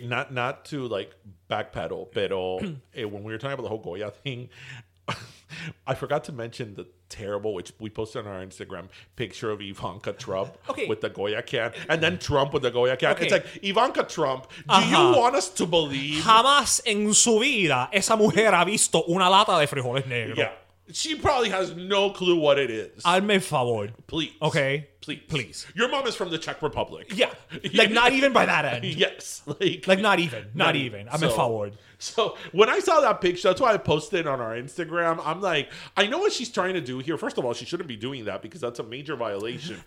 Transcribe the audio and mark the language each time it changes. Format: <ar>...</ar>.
<en>Not to, like, backpedal, pero when we were talking about the whole Goya thing, I forgot to mention the terrible, which we posted on our Instagram, picture of Ivanka Trump with the Goya can, and then Trump with the Goya can. Okay. It's like, Ivanka Trump, do you want us to believe?</en> <es>Jamás en su vida esa mujer ha visto una lata de frijoles negros.</es> <en>Yeah. She probably has no clue what it is.</en> <es>Hazme favor.</es> <en>Please. Okay? Please. Your mom is from the Czech Republic. Yeah. Like, not even by that end. Yes. Like not even. Not even.</en> <es>Hazme favor.</es> <en>So, when I saw that picture, that's why I posted on our Instagram. I'm like, I know what she's trying to do here. First of all, she shouldn't be doing that because that's a major violation.</en>